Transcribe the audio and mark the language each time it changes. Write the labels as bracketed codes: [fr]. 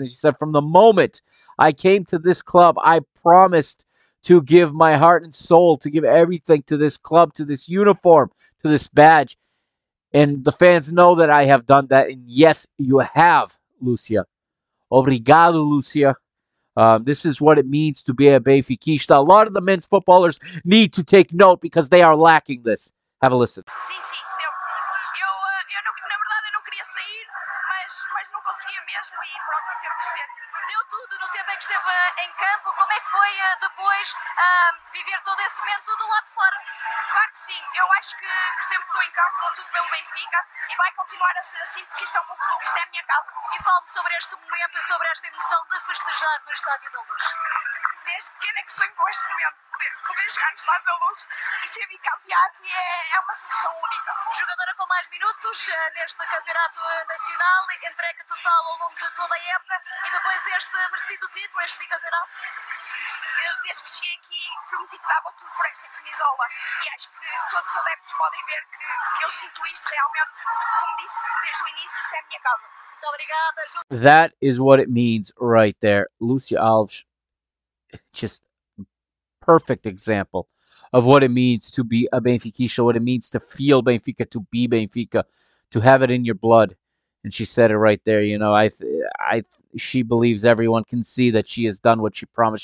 [en] And she said, from the moment I came to this club, I promised to give my heart and soul, to give everything to this club, to this uniform, to this badge. And the fans know that I have done that. And yes, you have, Lucia. [pt] Obrigado, Lucia. [en] This is what it means to be a Benfiquista. A lot of the men's footballers need to take note because they are lacking this. Have a listen. [pt] Sim, sim, eu na verdade, eu não queria sair, mas não conseguia mesmo e pronto, e teve que ser. Deu tudo no tempo em que esteve em campo. Como é que foi depois viver todo esse momento do lado de fora? Claro que sim. Eu acho que sempre estou em campo, dou tudo pelo Benfica e vai continuar a ser assim porque isto é o meu clube, isto é a minha casa. E fale-me sobre este momento e sobre esta emoção de festejar no Estádio da Luz. Desde pequena que sonho com este momento de poder jogar no Estádio da Luz e ser bicampeã, que é uma sensação única. Jogadora com mais minutos neste campeonato nacional, entrega total ao longo de toda a época e depois este merecido título, este bicampeonato. Desde que cheguei aqui, prometi que dava tudo por esta camisola e acho que todos os adeptos podem ver que eu sinto isto realmente, como disse desde o início, isto é a minha casa. [en] That is what it means right there. Lucia Alves, just perfect example of what it means to be a Benfiquista, what it means to feel Benfica, to be Benfica, to have it in your blood. And she said it right there. You know, she believes everyone can see that she has done what she promised.